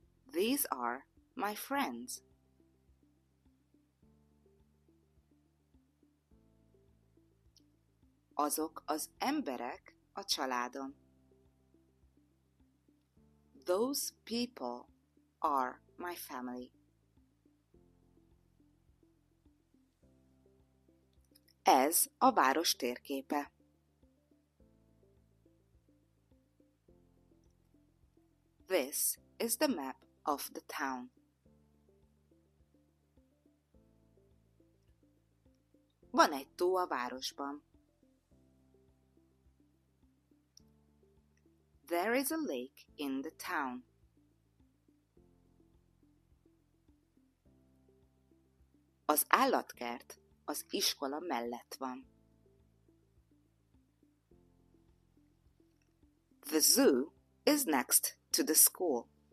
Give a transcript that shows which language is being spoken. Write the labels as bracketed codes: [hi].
[en] These are my friends. [hu] azok az emberek a családom. [en] Those people are my family. [hu] Ez a város térképe. [en] This is the map of the town. [hu] Van egy tó a városban. [en] There is a lake in the town. [hu] Az állatkert az iskola mellett van. [en] The zoo is next to the school.